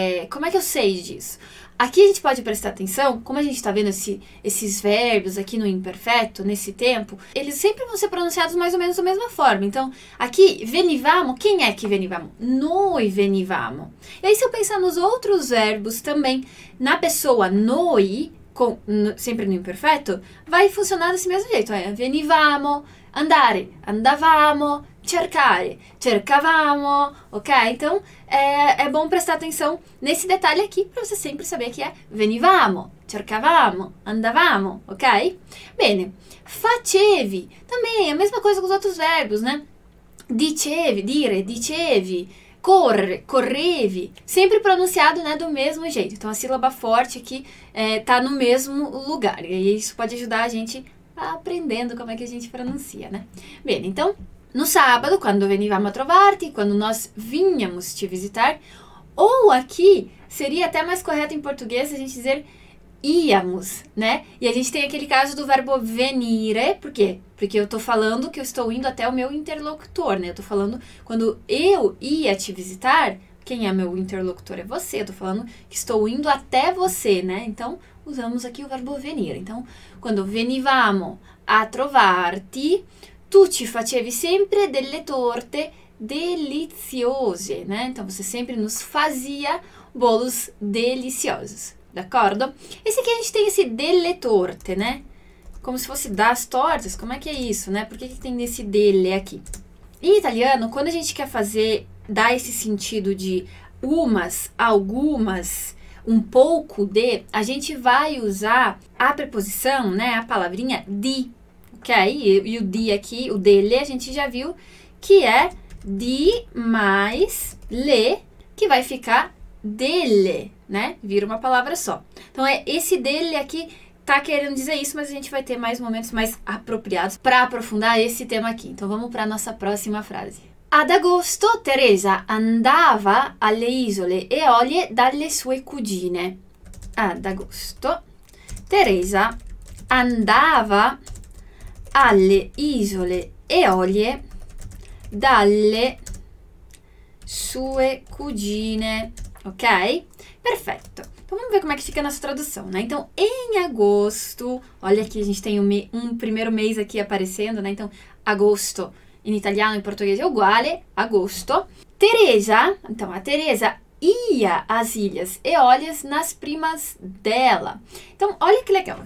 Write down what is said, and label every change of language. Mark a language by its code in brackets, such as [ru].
[pt] Como é que eu sei disso? Aqui a gente pode prestar atenção, como a gente está vendo esses verbos aqui no imperfeito, nesse tempo, eles sempre vão ser pronunciados mais ou menos da mesma forma. Então, aqui, venivamo, quem é que venivamo? [it] Noi venivamo. [pt] E aí, se eu pensar nos outros verbos também, na pessoa noi, sempre no imperfeito, vai funcionar desse mesmo jeito. [it] É, venivamo, andare, andavamo. Cercare, cercavamo, ok? [pt] Então é bom prestar atenção nesse detalhe aqui para você sempre saber que é venivamo, cercavamo, andavamo, ok? Bene, facevi também, a mesma coisa com os outros verbos, né? Dicevi, dire, dicevi, corre, correvi. Sempre pronunciado, né, do mesmo jeito. Então, a sílaba forte aqui tá no mesmo lugar. E isso pode ajudar a gente a aprendendo como é que a gente pronuncia, né? Bem, então, no sábado, quando [it] venivamo a trovarti, [pt] quando nós vinhamos te visitar, ou aqui, seria até mais correto em português a gente dizer íamos, né? E a gente tem aquele caso do verbo venire, por quê? Porque eu tô falando que eu estou indo até o meu interlocutor, né? Eu tô falando, quando eu ia te visitar, quem é meu interlocutor? É você. Eu tô falando que estou indo até você, né? Então, usamos aqui o verbo venire. [it] Então, quando venivamo a trovarti, tu ci facevi sempre delle torte deliziose, né? [pt] Então, você sempre nos fazia bolos deliciosos. D'accordo? Esse aqui a gente tem esse delle torte, né? Como se fosse das tortas. Como é que é isso, né? Por que tem esse delle aqui? Em italiano, quando a gente quer fazer, dar esse sentido de umas, algumas, um pouco de, a gente vai usar a preposição, né? A palavrinha di, ok? E o di aqui, o delle, a gente já viu que é di mais le, que vai ficar delle, né? Vira uma palavra só. Então, é esse dele aqui tá querendo dizer isso, mas a gente vai ter mais momentos mais apropriados para aprofundar esse tema aqui. Então, vamos para a nossa próxima frase. [it] Ad agosto, Teresa andava alle isole Eolie dalle sue cugine. Ad agosto, Teresa andava alle isole Eolie dalle sue cugine. Ok? Perfetto. [pt] Então, vamos ver como é que fica a nossa tradução, né? Então, em agosto, olha aqui, a gente tem um primeiro mês aqui aparecendo, né? Então, agosto, em italiano e português é uguale, agosto. Teresa, então, a Teresa ia às ilhas Eólias nas primas dela. Então, olha que legal.